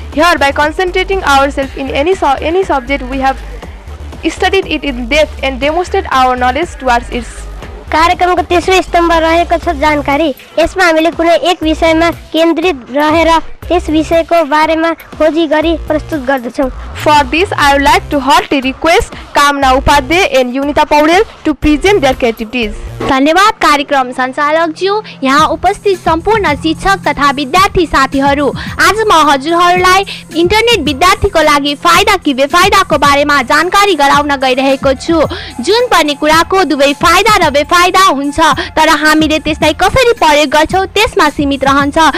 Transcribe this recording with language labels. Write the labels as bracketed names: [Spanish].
[English] Here by concentrating our self in any subject we have studied it in depth and demonstrate our knowledge towards its. [Nepali] कार्यक्रमको तेस्रो स्तम्भ रहेको छ जानकारी। यसमा हामीले कुनै एक विषयमा केन्द्रित रहेर त्यस विषयको बारेमा खोजी गरी प्रस्तुत गर्दछौँ। [English] For this I would like to heartly request Kamana Upadhyay and Yunita Paudel to present their creativities. [Nepali] धन्यवाद कार्यक्रम सञ्चालकज्यू, यहाँ उपस्थित सम्पूर्ण शिक्षक तथा विद्यार्थी साथीहरू, आज म हजुरहरूलाई इन्टरनेट विद्यार्थीको लागि फाइदा कि बेफाइदाको बारेमा जानकारी गराउन गइरहेको छु। जुन पनि कुराको दुवै फाइदा र बेफाइदा हुन्छ, तर हामीले त्यसलाई कसरी प्रयोग गर्छौँ त्यसमा सीमित रहन्छ।